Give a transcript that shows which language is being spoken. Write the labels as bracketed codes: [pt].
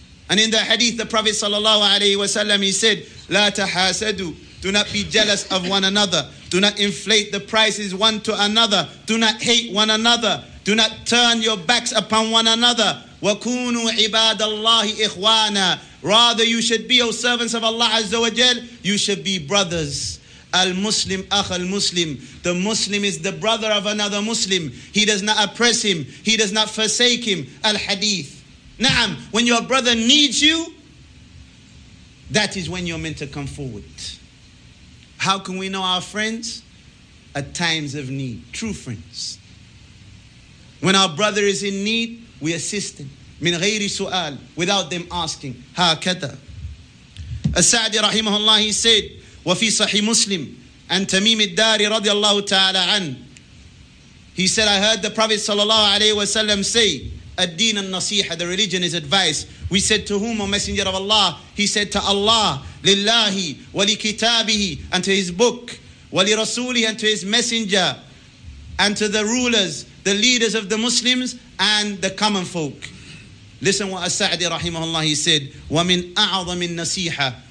[en] And in the hadith, the Prophet sallallahu alayhi wa sallam, he said, [ar] La tahasadu, [en] do not be jealous of one another. Do not inflate the prices one to another. Do not hate one another. Do not turn your backs upon one another. [ar] وَكُونُوا عِبَادَ اللَّهِ إِخْوَانًا. [en] Rather, you should be, O servants of Allah Azza wa Jal, you should be brothers. [ar] Al-Muslim, أَخَ الْمُسْلِمِ. [en] The Muslim is the brother of another Muslim. He does not oppress him. He does not forsake him. Al-Hadith. Na'am, when your brother needs you, that is when you're meant to come forward. How can we know our friends? At times of need. True friends. When our brother is in need, we assist him. [ar] من غير سؤال, [en] without them asking. [ar] هكذا. السعدي رحمه الله, [en] he said, [ar] وفي صحيح مسلم عن تميم الداري رضي الله تعالى عنه. [en] He said, I heard the Prophet [ar] صلى الله عليه وسلم [en] say, [ar] الدين النصيحة, [en] the religion is advice. We said to whom, O Messenger of Allah? He said, to Allah, [ar] لله ولكتابه, [en] and to his book, [ar] ولرسوله, [en] and to his messenger, and to the rulers, the leaders of the Muslims and the common folk. Listen what As-Sa'di rahimahullah, he said, [ar] وَمِنْ أَعْظَمِ النَّصِيحَةِ.